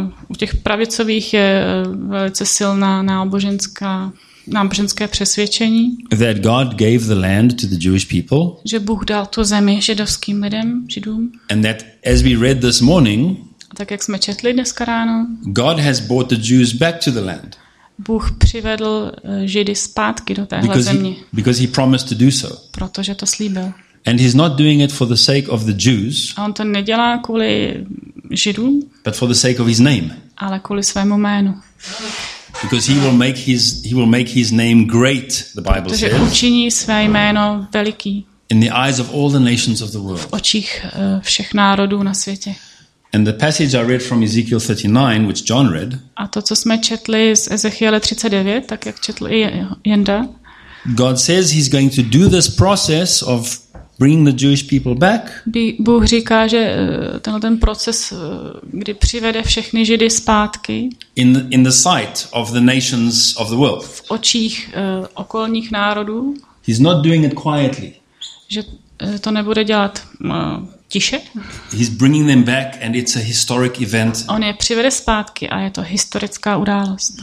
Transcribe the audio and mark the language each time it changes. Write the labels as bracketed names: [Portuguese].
[Czech] U těch pravicových je velice silná náboženské přesvědčení. [English] That God gave the land to the Jewish people. [Czech] Že Bůh dal tu zemi židovským lidem, židům. [English] And that as we read this morning, [Czech] tak jak jsme četli dneska ráno, [English] God has brought the Jews back to the land. [Czech] Bůh přivedl Židy zpátky do téhle země. [English] Because he promised to do so. [Czech] Protože to slíbil. [English] And he's not doing it for the sake of the Jews. [Czech] A on to nedělá kvůli Židům. [English] But for the sake of his name. [Czech] Ale kvůli svému jménu. [English] Because he will make his name great, the Bible [Czech] protože [English] says. [Czech] Protože učiní své jméno veliký. [English] In the eyes of all the nations of the world. [Czech] V očích všech národů na světě. [English] And the passage I read from Ezekiel 39, which John read. [Czech] A to, co jsme četli z Ezechiele 39, tak jak četl i Jenda. [English] God says he's going to do this process of bringing the Jewish people back. [Czech] Bůh říká, že tenhle ten proces, kdy přivede všechny Židy zpátky. [English] In the sight of the nations of the world. [Czech] V očích okolních národů. [English] He's not doing it quietly. [Czech] Že to nebude dělat tiše. [English] He's bringing them back and it's a historic event. [Czech] On je přivede zpátky a je to historická událost.